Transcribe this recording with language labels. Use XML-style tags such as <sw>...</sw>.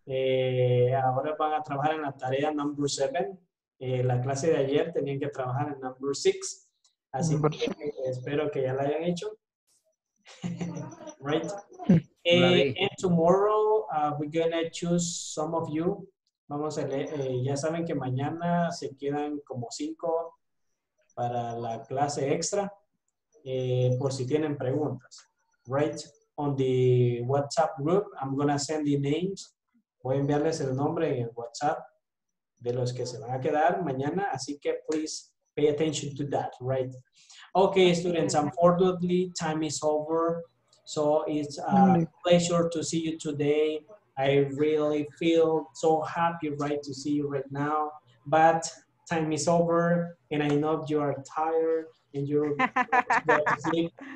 <es>Ahora van a trabajar en la tarea number 7. La clase de ayer tenían que trabajar en number 6. Así number que espero que ya la hayan hecho.</es> <en>Right. And tomorrow we're going to choose some of you.</en> <es>Vamos a leer. Ya saben que mañana se quedan como 5. Para la clase extra, por si tienen preguntas.</es> <en>Right on the WhatsApp group, I'm gonna send the names.</en> <es>Voy a enviarles el nombre en el WhatsApp de los que se van a quedar mañana. Así que</es> <en>please pay attention to that, right? Okay, students, unfortunately, time is over. So it's a pleasure to see you today. I really feel so happy, right, to see you right now. But time is over, and I know you are tired, and you're going to sleep.</en>